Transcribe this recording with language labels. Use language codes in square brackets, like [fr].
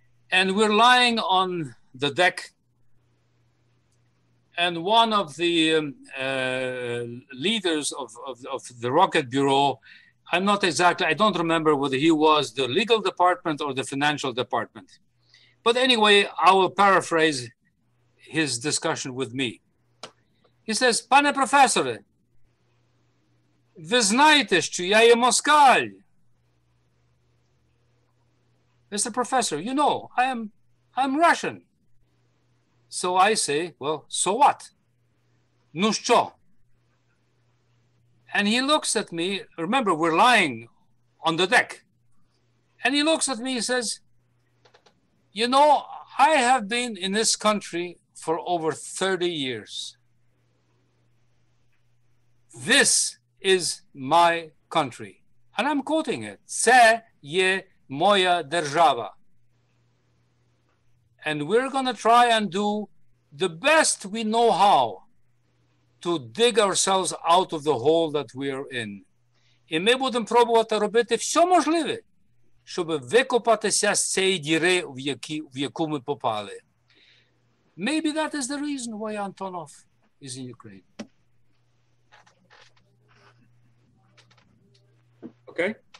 [en] And we're lying on the deck, and one of the leaders of the Rocket Bureau, I don't remember whether he was the legal department or the financial department. But anyway, I will paraphrase his discussion with me. He says, [uk] "Пане професоре, ви знаєте, що я є москаль?" [en] "Mr. Professor, you know, I'm Russian." So I say, "Well, so what? [uk] Ну що?" [en] And he looks at me, remember, we're lying on the deck. And he looks at me, he says, "You know, I have been in this country for over 30 years. This is my country. And I'm quoting it. [uk] Це є моя держава. [en] And we're going to try and do the best we know how to dig ourselves out of the hole that we're in. [uk] І ми будемо пробувати робити все можливе, щоб викопатися з цієї діри, в яку ми попали. [en] Maybe that is the reason why Antonov is in Ukraine. Okay.